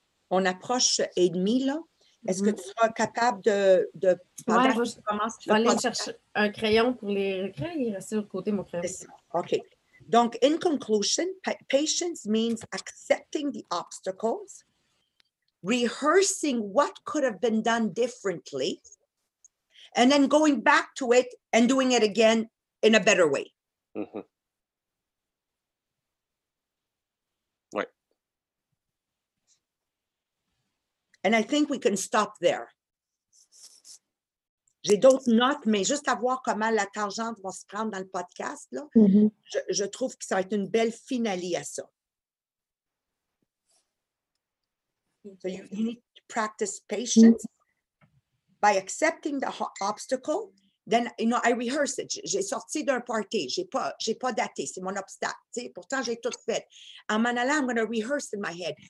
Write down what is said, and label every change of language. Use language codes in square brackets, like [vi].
[fr] On approche et demi, là. Est-ce que tu seras capable de Oui, je commence. Je vais aller chercher un crayon pour les recréer. Il reste sur le côté, mon frère. OK. [en] Donc, in conclusion, patience means accepting the obstacles, rehearsing what could have been done differently, and then going back to it and doing it again in a better way. Mm-hmm. Right. And I think we can stop there. [fr] J'ai d'autres notes, mais juste à voir comment la tangente va se prendre dans le podcast, là, mm-hmm. je trouve que ça va être une belle finale à ça. [en] So you need to practice patience by accepting the obstacle. Then, you know, I rehearse it. [fr] J'ai sorti d'un party. J'ai pas daté. C'est mon obstacle. T'sais? Pourtant, j'ai tout fait. En m'en allant, [en] I'm going to rehearse in my head.